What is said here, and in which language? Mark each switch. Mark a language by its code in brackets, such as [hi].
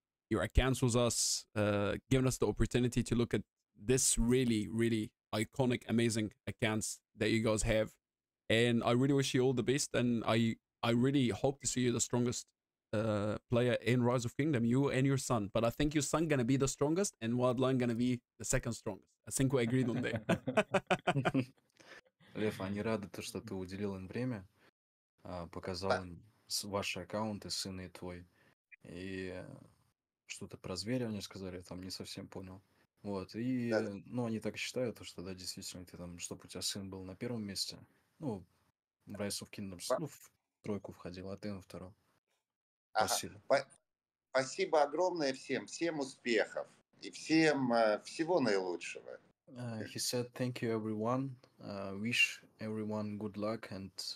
[en] Your accounts with us, giving us the opportunity to look at this really, really iconic, amazing accounts that you guys have. And I really wish you all the best. And I really hope to see you the strongest player in Rise of Kingdom, you and your son. But I think your son going to be the strongest and Wildline going to be the second strongest. I think we agreed on that. [ru] Лев, они рады, что ты уделил им время, показал им ваши аккаунты, сын и твой. И что-то про зверя мне сказали, я там не совсем понял. Вот, и, ну, они так считают, что, да, действительно, ты там, чтобы у тебя сын был на первом месте, ну, в Rise of Kingdoms, ну, в тройку входил, а ты на втором. Спасибо. Спасибо огромное всем, всем успехов и всем всего наилучшего. [en] He said, thank you everyone, wish everyone good luck and...